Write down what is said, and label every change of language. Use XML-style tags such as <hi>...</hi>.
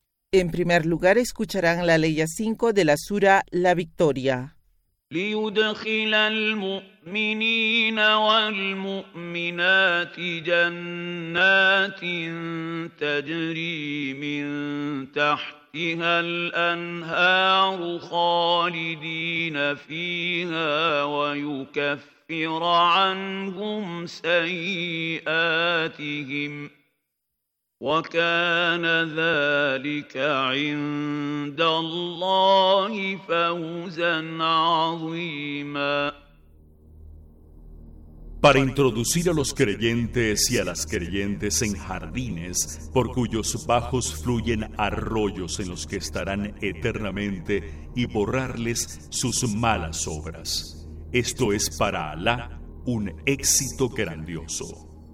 <es>En primer lugar, escucharán la ley 5 de la Sura La Victoria.</es> <ar>ليدخل المؤمنين والمؤمنات جنات تجري من تحتها الأنهار خالدين فيها ويكفر عنهم سيئاتهم وكان ذلك عند الله فوزا عظيما.</ar> <es>Para introducir a los creyentes y a las creyentes en jardines por cuyos bajos fluyen arroyos en los que estarán eternamente y borrarles sus malas obras. Esto es para Alá un éxito grandioso.</es>